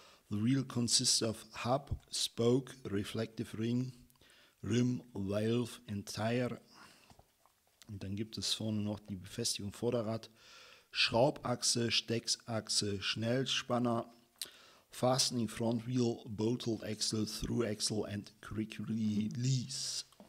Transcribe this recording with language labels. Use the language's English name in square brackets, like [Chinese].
[English] The wheel consists of Hub, Spoke, Reflective Ring, Rim, Valve and Tire. [German] Und dann gibt es vorne noch die Befestigung Vorderrad, Schraubachse, Steckachse, Schnellspanner. [English] Fastening front wheel, bolted axle, through axle and quick release.